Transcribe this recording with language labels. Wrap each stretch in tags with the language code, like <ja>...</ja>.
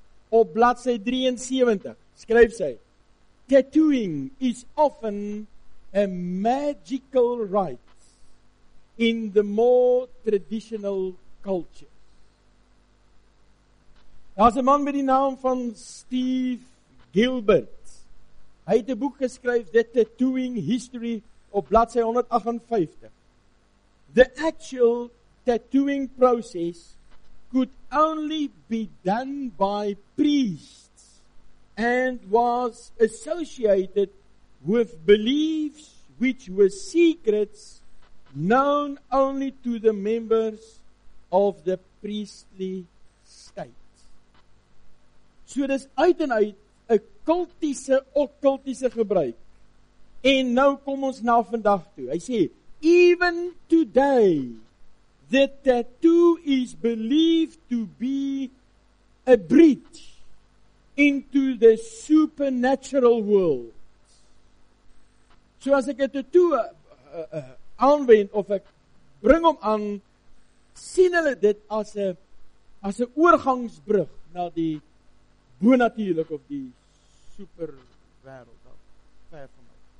<af>Op bladsy 73 skryf sy,</af> <en>Tattooing is often a magical rite in the more traditional culture.</en> <af>Daar is 'n man met die naam van Steve Gilbert. Hy het 'n boek geskryf, The Tattooing History, op bladsy 158.</af> <en>The actual tattooing process could only be done by priests and was associated with beliefs which were secrets known only to the members of the priestly state.</en> <af>So dis uit en uit 'n kultiese, okkultiese gebruik. En nou kom ons na vandag toe. Hy sê,</af> <en>even today, the tattoo is believed to be a bridge into the supernatural world.</en> <af>So as ek 'n tattoo aanwend, of ek bring hom aan, sien hulle dit as 'n oorgangsbrug na die bonatuurlik of die superwêreld, daar ver van my.</af>